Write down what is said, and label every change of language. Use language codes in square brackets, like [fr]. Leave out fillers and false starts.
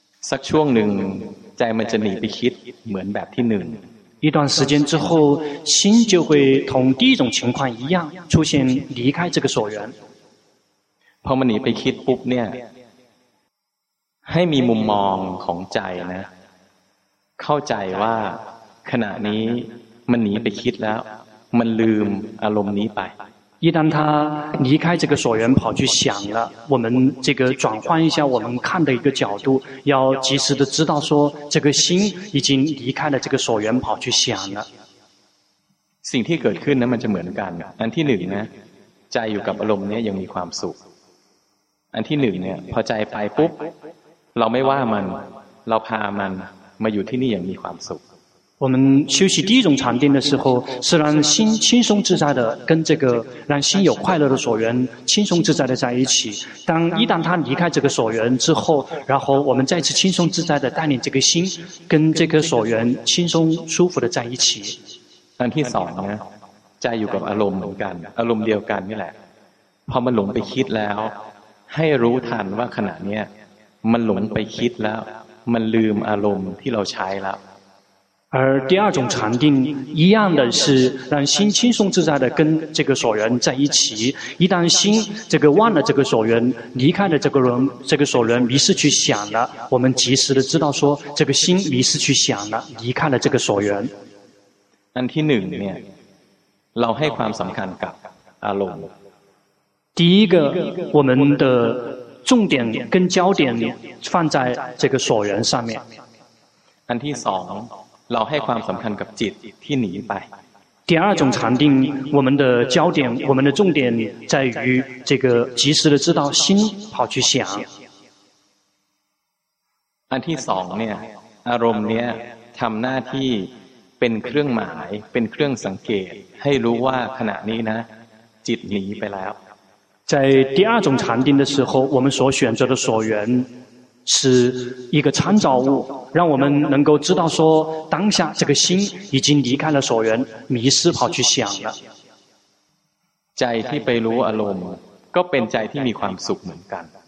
[th] สักช่วงหนึ่งใจมันจะหนีไปคิดเหมือนแบบที่หนึ่ง [zh] 一段时间之后心就会同第一种情况一样出现离开这个所缘 [th] พอมันหนีไปคิดปุ๊บเนี่ยให้มีมุมมองของใจนะเข้าใจว่าขณะนี้มันหนีไปคิดแล้วมันลืมอารมณ์นี้ไป [zh] 一旦他离开这个所缘跑去想了，我们这个转换一下我们看的一个角度，要及时的知道说这个心已经离开了这个所缘跑去想了。 [th] สิ่งที่เกิดขึ้นนั้นมันจะเหมือนกันอันที่หนึ่งนะใจอยู่กับอารมณ์นี้ยังมีความสุขอันที่หนึ่งเนี่ยพอใจไปปุ๊บเราไม่ว่ามันเราพามันมาอยู่ที่นี่ยังมีความสุข [zh] 我们休息第一种禅定的时候，是让心轻松自在的跟这个让心有快乐的所缘轻松自在的在一起。当一旦他离开这个所缘之后，然后我们再次轻松自在的带领这个心跟这个所缘轻松舒服的在一起。 [th] อันที่สองเนี่ยใจอยู่กับอารมณ์เหมือนกันอารมณ์เดียวกันนี่แหละพอมันหลงไปคิดแล้วให้รู้ทันว่าขณะเนี้ยมันหลงไปคิดแล้วมันลืมอารมณ์ที่เราใช้แล้ว [zh] 而第二种禅定一样的是让心轻松自在的跟这个所缘在一起，一旦心这个忘了这个所缘，离开了这个所缘，迷失去想了，我们及时的知道说这个心迷失去想了，离开了这个所缘。 [th] อันที่หนึ่งเนี่ยเราให้ความสำคัญกับอารมณ์ [zh] 第一个我们的重点跟焦点放在这个所缘上面。 [th] อันที่สองเราให้ความสำคัญกับจิตที่หนีไป [zh] 第二种禅定我们的焦点我们的重点在于这个及时的知道心跑去想 [th] อันที่สองเนี่ยอารมณ์เนี่ยทำหน้าที่เป็นเครื่องหมายเป็นเครื่องสังเกตให้รู้ว่าขณะนี้นะจิตหนีไปแล้ว [zh] 在第二种禅定的时候我们所选择的所缘是一个参照物让我们能够知道说当下这个心已经离开了所缘迷失跑去想了 [th] ใจที่ไปรู้อารมณ์ก็เป็นใจที่มีความสุขเหมือนกัน